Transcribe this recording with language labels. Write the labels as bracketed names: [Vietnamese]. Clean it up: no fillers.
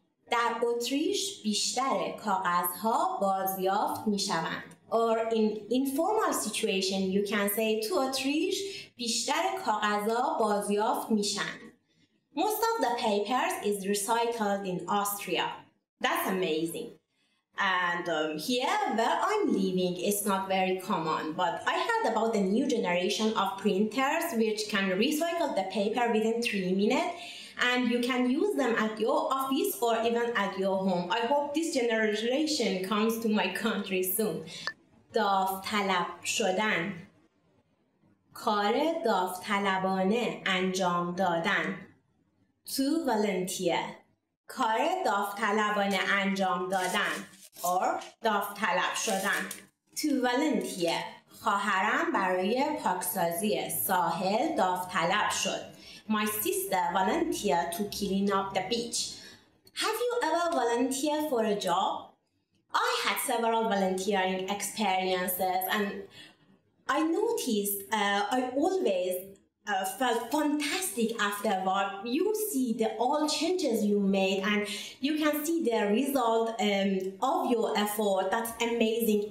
[Persian] در اتریش بیشتر کاغذها بازیافت می شوند. [English] Or in informal situation, you can say [Persian] تو اتریش بیشتر کاغذها بازیافت می شن. [English] Most of the papers is recycled in Austria. That's amazing. And here where I'm living, it's not very common. But I heard about the new generation of printers which can recycle the paper within 3 minutes. And you can use them at your office or even at your home. I hope this generation comes to my country soon. [Persian] داوطلب شدن. کار داوطلبانه انجام دادن. [English] To volunteer. [Persian] کار داوطلبانه انجام دادن. [English] Or [Persian] داوطلب شدن. [English] To volunteer. [Persian] خواهرم برای پاکسازی ساحل داوطلب شد. [English] My sister volunteered to clean up the beach. Have you ever volunteered for a job? I had several volunteering experiences and I noticed I always felt fantastic after what you see the all changes you made and you can see the result of your effort. That's amazing.